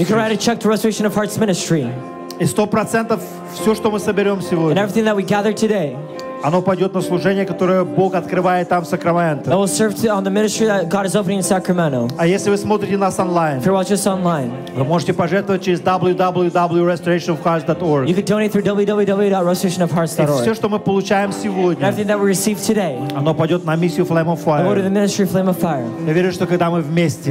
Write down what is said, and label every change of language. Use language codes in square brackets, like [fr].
[en] You can write a check to restoration of hearts ministry. [ru] И 100% все, что мы соберем сегодня, [en] and everything that we gather today, [ru] оно пойдет на служение, которое Бог открывает там в Сакраменто. [en] It will serve to, on the ministry that God is opening in Sacramento. [ru] А если вы смотрите нас онлайн, [en] if you're watching us online, [ru] вы можете пожертвовать через www.restorationofhearts.org. [en] You can donate through www.restorationofhearts.org. [ru] И все, что мы получаем сегодня, [en] and everything that we receive today, [ru] оно пойдет на миссию Flame of Fire. [en] Go to the ministry Flame of Fire. [ru] Я верю, что когда мы вместе,